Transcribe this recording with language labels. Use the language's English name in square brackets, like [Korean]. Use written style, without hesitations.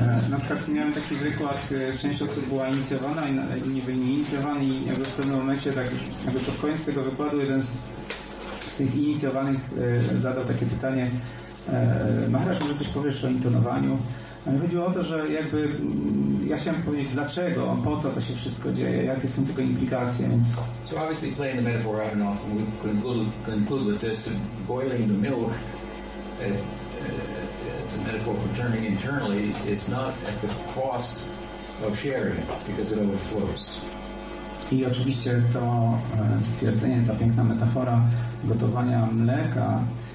[Polish] Na przykład miałem taki wykład, część osób była inicjowana i nie byli inicjowani i jakby w pewnym momencie tak jakby pod koniec tego wykładu jeden z tych inicjowanych zadał takie pytanie, Maharaj, może coś powiesz o intonowaniu? Chodziło o to, że jakby ja chciałem powiedzieć dlaczego, po co to się wszystko dzieje, jakie są tego implikacje. [English] So obviously playing the metaphor out and off, we conclude with this, boiling the milk, it's a metaphor for turning internally, it's not at the cost of sharing, because it overflows. [Polish] I oczywiście to stwierdzenie, ta piękna metafora gotowania mleka,